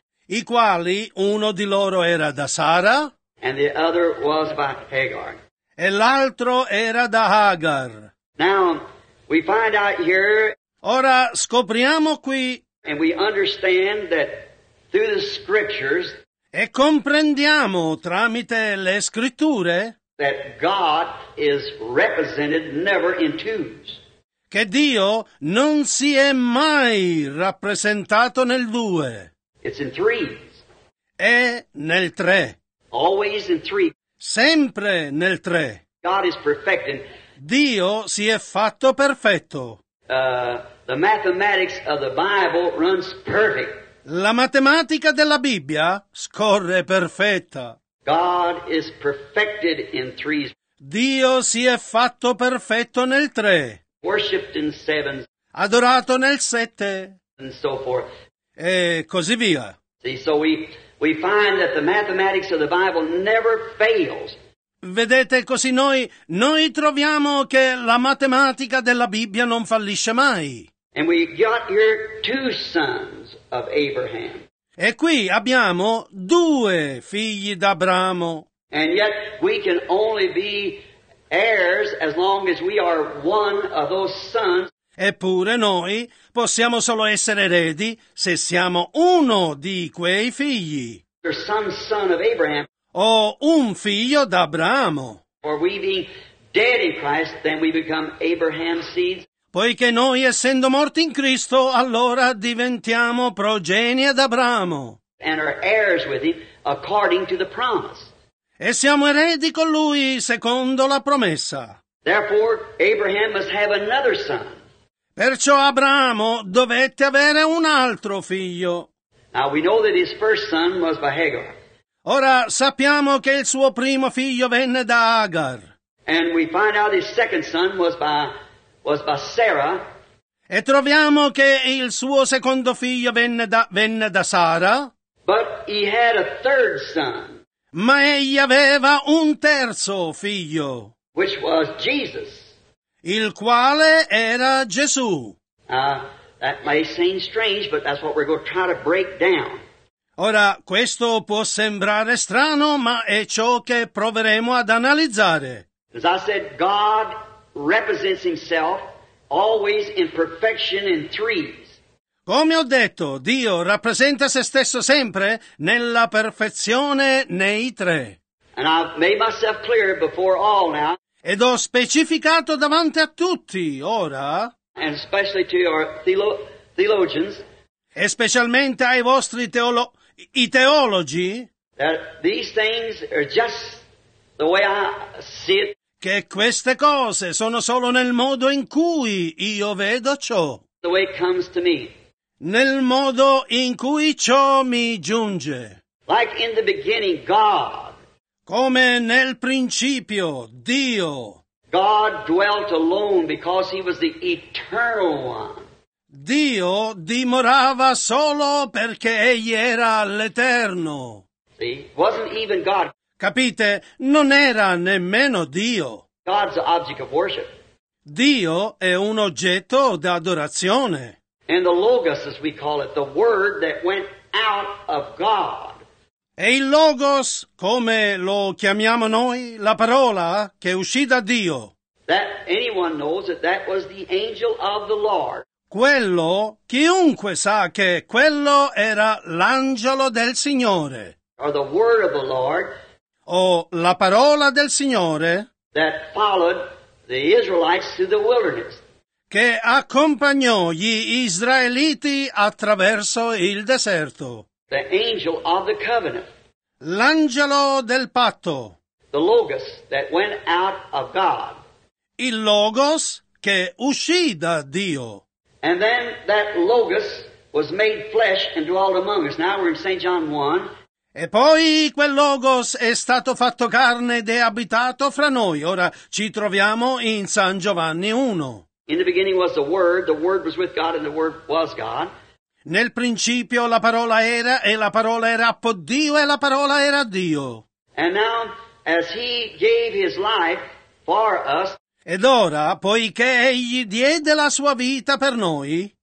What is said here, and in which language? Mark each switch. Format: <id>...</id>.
<it>I quali, uno di loro era da Sara.</it> <en>And the other was by Hagar.</en> <it>E l'altro era da Hagar.</it> <en>Now, we find out here.</en> <it>Ora, scopriamo qui.</it> <en>And we understand that through the scriptures.</en> <it>E comprendiamo tramite le scritture</it> <en>that God is represented never in twos.</en> <it>che Dio non si è mai rappresentato nel due.</it> <en>It's in threes.</en> <it>È nel tre.</it> <en>Always in three.</en> <it>Sempre nel tre.</it> <en>God is perfected.</en> <it>Dio si è fatto perfetto.</it> <en>The mathematics of the Bible runs perfect.</en> <it>La matematica della Bibbia scorre perfetta.</it> <en>God is perfected in threes.</en> <it>Dio si è fatto perfetto nel tre.</it> <en>Worshipped in sevens.</en> <it>Adorato nel sette.</it> <en>And so forth.</en> <it>E così via.</it> <en>See, so we find that the mathematics of the Bible never fails.</en> <it>Vedete, così noi troviamo che la matematica della Bibbia non fallisce mai.</it> <en>And we got here two sons of Abraham.</en> <it>E qui abbiamo due figli d'Abramo.</it> <en>And yet we can only be heirs as long as we are one of those sons.</en> <it>Eppure noi possiamo solo essere eredi se siamo uno di quei figli.</it> <en>Or some son of Abraham.</en> <it>O un figlio d'Abramo.</it> <en>For we being dead in Christ, then we become Abraham's seeds.</en> <it>Poiché noi, essendo morti in Cristo, allora diventiamo progenie d'Abramo.</it> <en>And are heirs with him according to the promise.</en> <it>E siamo eredi con lui secondo la promessa.</it> <en>Therefore, Abraham must have another son.</en> <it>Perciò Abramo dovette avere un altro figlio.</it> <en>Now we know that his first son was by Hagar.</en> <it>Ora sappiamo che il suo primo figlio venne da Agar.</it> <en>And we find out his second son was by Sarah.</en> <it>E troviamo che il suo secondo figlio venne da Sara.</it> <en>But he had a third son.</en> <it>Ma egli aveva un terzo figlio.</it> <en>Which was Jesus.</en> <it>Il quale era Gesù.</it> <en>That may seem strange, but that's what we're going to try to break down.</en> <it>Ora, questo può sembrare strano, ma è ciò che proveremo ad analizzare.</it> <en>As I said, God represents himself always in perfection in threes.</en> <it>Come ho detto, Dio rappresenta se stesso sempre nella perfezione nei tre.</it> <en>And I've made myself clear before all now.</en> <it>Ed ho specificato davanti a tutti ora.</it> <en>And especially to your theologians.</en> <it>E specialmente ai vostri i teologi.</it> <en>That these things are just the way I see it.</en> <it>Che queste cose sono solo nel modo in cui io vedo ciò.</it> <en>The way it comes to me.</en> <it>Nel modo in cui ciò mi giunge.</it> <en>Like in the beginning, God.</en> <it>Come nel principio, Dio.</it> <en>God dwelt alone because he was the eternal one.</en> <it>Dio dimorava solo perché egli era l'eterno.</it> <en>See, wasn't even God.</en> <it>Capite? Non era nemmeno Dio.</it> <en>God's the object of worship.</en> <it>Dio è un oggetto d'adorazione.</it> <en>And the logos, as we call it, the word that went out of God.</en> <it>E il Logos, come lo chiamiamo noi, la parola che uscì da Dio.</it> <en>That anyone knows that that was the angel of the Lord.</en> <it>Quello, chiunque sa che quello era l'angelo del Signore.</it> <en>Or the word of the Lord.</en> <it>O la parola del Signore.</it> <en>That followed the Israelites through the wilderness.</en> <it>Che accompagnò gli Israeliti attraverso il deserto.</it> <en>The angel of the covenant.</en> <it>L'angelo del patto.</it> <en>The logos that went out of God.</en> <it>Il logos che uscì da Dio.</it> <en>And then that logos was made flesh and dwelt among us. Now we're in St. John 1.</en> <it>E poi quel logos è stato fatto carne ed è abitato fra noi. Ora ci troviamo in San Giovanni 1.</it> <en>In the beginning was the word was with God and the word was God.</en> <it>Nel principio la parola era, e la parola era appo' Dio, e la parola era Dio.</it> <en>And now, as he gave his life for us,</en> <it>ed ora, poiché egli diede la sua vita per noi,</it>